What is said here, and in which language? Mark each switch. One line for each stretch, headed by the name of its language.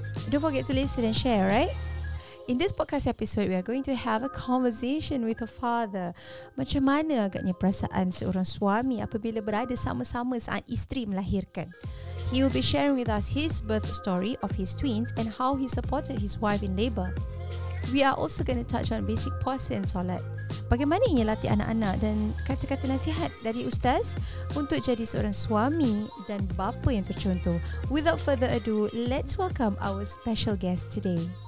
English: Don't forget to listen and share, right? In this podcast episode, we are going to have a conversation with a father.
Malay: Macam mana agaknya perasaan seorang suami apabila berada sama-sama saat isteri melahirkan?
English: He will be sharing with us his birth story of his twins and how he supported his wife in labour. We are also going to touch on basic puasa and solat.
Malay: Bagaimana ingin latih anak-anak dan kata-kata nasihat dari ustaz untuk jadi seorang suami dan bapa yang tercontoh.
English: Without further ado, let's welcome our special guest today.